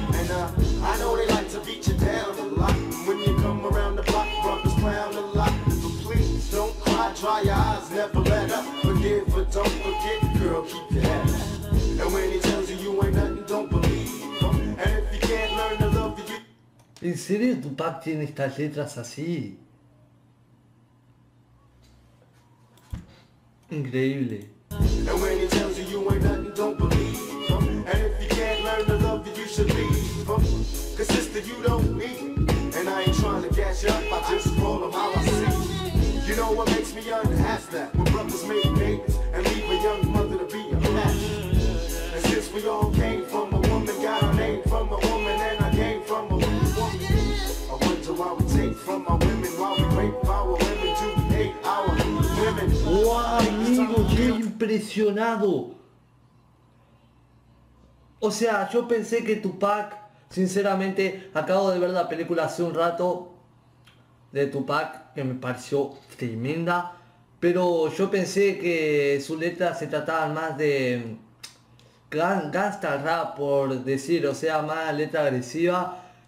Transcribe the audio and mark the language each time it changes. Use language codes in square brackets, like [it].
[en] And I know they like to beat you down a lot. When you come around the block, brothers clown a lot. But please don't cry, dry your eyes, never let up. Forgive but don't forget, girl, keep your head up. And when he tells you you ain't nothing, don't believe him. And if you can't learn to love you. [es] ¿En serio Tupac tiene estas letras así? Increíble. [en] And when he tells you you ain't nothing, don't believe him. And if you can't learn to love you, you should leave, cause sister, you don't need. And I ain't trying to gas you up, I just roll them how I see. You know what makes me unhappy? That when brothers make babies and leave a young mother to be a mess. And since we all came from a woman, got a name from a woman, and I came from a woman, I wonder why we take from our women, why we rape our women, do we hate our women? [es] Wow, amigo, qué impresionado. O sea, yo pensé que Tupac, sinceramente, acabo de ver la película hace un rato de Tupac, que me pareció tremenda, pero yo pensé que su letra se trataba más de gangsta rap, por decir, o sea, más letra agresiva.